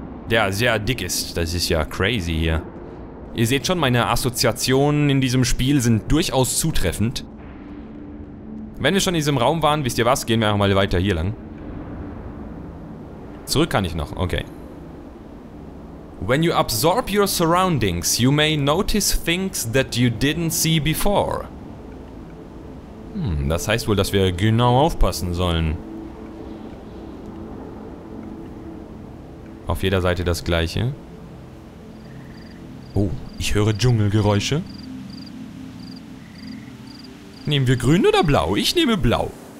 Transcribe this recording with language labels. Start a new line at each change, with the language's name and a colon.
German: Der sehr dick ist. Das ist ja crazy hier. Ihr seht schon, meine Assoziationen in diesem Spiel sind durchaus zutreffend. Wenn wir schon in diesem Raum waren, wisst ihr was? Gehen wir einfach mal weiter hier lang. Zurück kann ich noch, okay.
English: When you absorb your surroundings, you may notice things that you didn't see before.
German: Das heißt wohl, dass wir genau aufpassen sollen. Auf jeder Seite das gleiche. Oh, ich höre Dschungelgeräusche. Nehmen wir grün oder blau? Ich nehme blau.